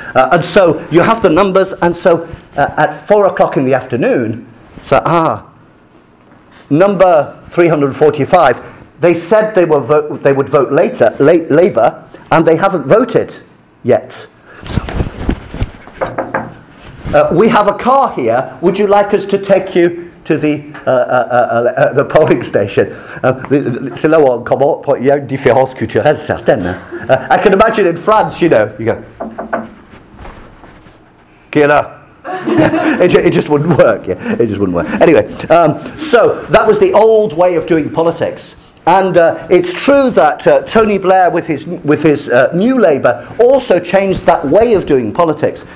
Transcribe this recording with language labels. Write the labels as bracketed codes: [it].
[en] And so you have the numbers, and so at 4 o'clock in the afternoon, so, number 345, they said they would vote later, Labour, and they haven't voted yet. So, we have a car here. Would you like us to take you to the polling station? [fr] C'est là où on commence pour y a une différence culturelle certaine. [en] I can imagine in France, you know, you go, [fr] qui est là? [en] It just wouldn't work. Yeah, it just wouldn't work. Anyway, so that was the old way of doing politics. And it's true that Tony Blair, with his New Labour, also changed that way of doing politics.